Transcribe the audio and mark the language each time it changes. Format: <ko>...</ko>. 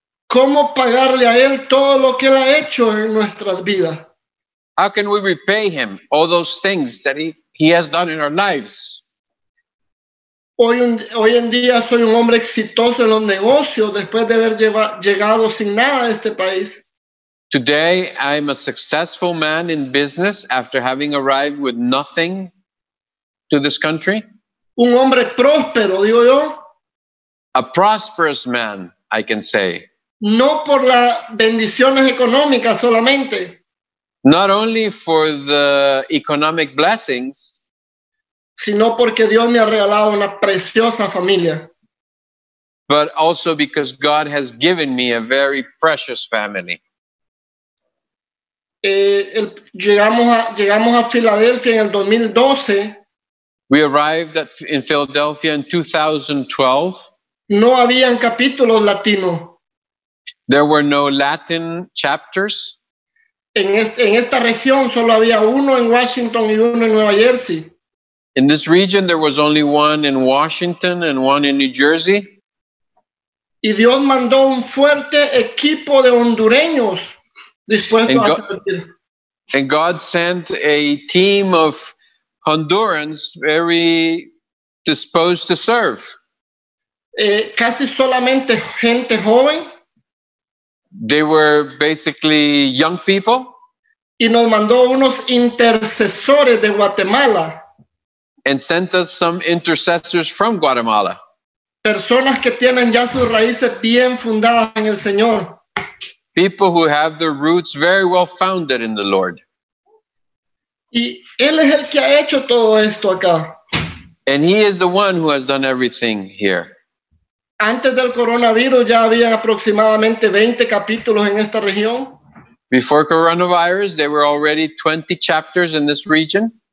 <es>¿Cómo pagarle a Él todo lo que Él ha hecho en nuestras vidas?</es> <en>How can we repay Him all those things that He has done in our lives?</en> <es>Hoy en día soy un hombre exitoso en los negocios después de haber llegado sin nada a este país.</es> <en>Today I am a successful man in business after having arrived with nothing to this country.</en> <es>Un hombre próspero, digo yo.</es> <en>A prosperous man, I can say.</en> <es>No por las bendiciones económicas solamente.</es> <en>Not only for the economic blessings,</en> <es>sino porque Dios me ha regalado una preciosa familia,</es> <en>but also because God has given me a very precious family.</en> <es>Llegamos a Filadelfia en el 2012.</es> <en>We arrived in Philadelphia in 2012.</en> <es>No habían capítulos latinos.</es> <en>There were no Latin chapters.</en> <es>En esta región solo había uno en Washington y uno en Nueva Jersey.</es> <en>In this region there was only one in Washington and one in New Jersey.</en> <es>Y Dios mandó un fuerte equipo de hondureños dispuesto a servir.</es> <en>And God sent a team of Hondurans very disposed to serve.</en> <es>Casi solamente gente joven.</es> <en>They were basically young people.</en> <es>Y nos mandó unos intercesores de Guatemala.</es> <en>And sent us some intercessors from Guatemala.</en> <es>Personas que tienen ya sus raíces bien fundadas en el Señor.</es> <en>People who have their roots very well founded in the Lord.</en> <es>Y Él es el que ha hecho todo esto acá.</es> <en>And He is the one who has done everything here.</en> <es>Antes del coronavirus ya había aproximadamente 20 capítulos en esta región.</es> <en>Before coronavirus, there were already 20 chapters in this region.</en>